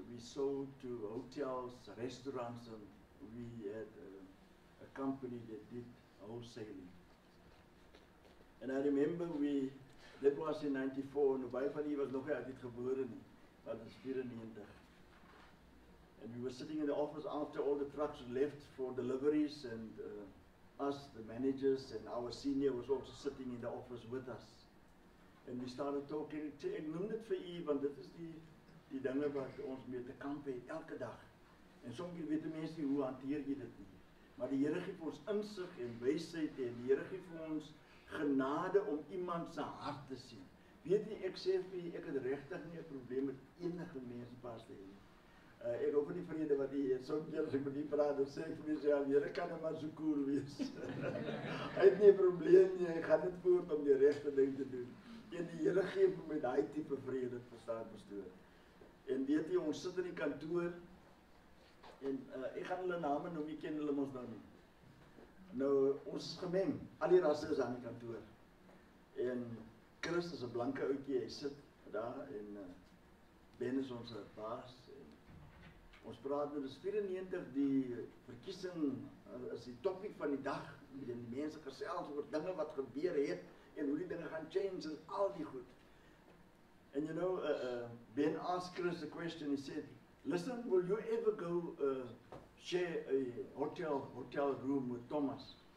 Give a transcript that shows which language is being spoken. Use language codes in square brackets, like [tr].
[en] We sold to hotels, restaurants, and we had a company that did wholesaling. [af] And I remember that was in 94, nobody van hier was nog uit dit gebore nie, maar dit is 94. [en] And we were sitting in the office after all the trucks left for deliveries, and us, the managers, and our senior was also sitting in the office with us. [af] En we started talking, ek noem dit vir u, want dit is die dinge wat ons mee te kamp het, elke dag. En sommige weet die mense nie, hoe hanteer jy dit nie. Maar die Here gee vir ons insig en wysheid, en die Here gee vir ons genade om iemand sy hart te sien. Weet nie, ek sê vir u, ek het regtig nie een probleem met enige mense pas te heen. Ek hoef nie vrede wat die het, soms keer as ek met die praat, dan sê ek vir mense, ja, die Here kan maar so koel wees. Hy het nie probleem nie, hy gaan dit voort om die regte ding te doen. En die Here gee vir my die type vrede, verstaan pastoor. En weet jy, ons sit in die kantoor, en ek gaan hulle name noem, jy ken hulle ons nou nie. Nou, ons is gemeng, al die rasse is aan die kantoor. En Chris is een blanke oukie, hy sit daar, en Ben is ons baas. En ons praat, dit is 94, die verkiesing is die topic van die dag, en die mense gesels oor dinge wat gebeur het, en hoe die dinge gaan change, is al die goed. [en] And you know, Ben asked Chris a question, he said, listen, will you ever go share a hotel room with Thomas?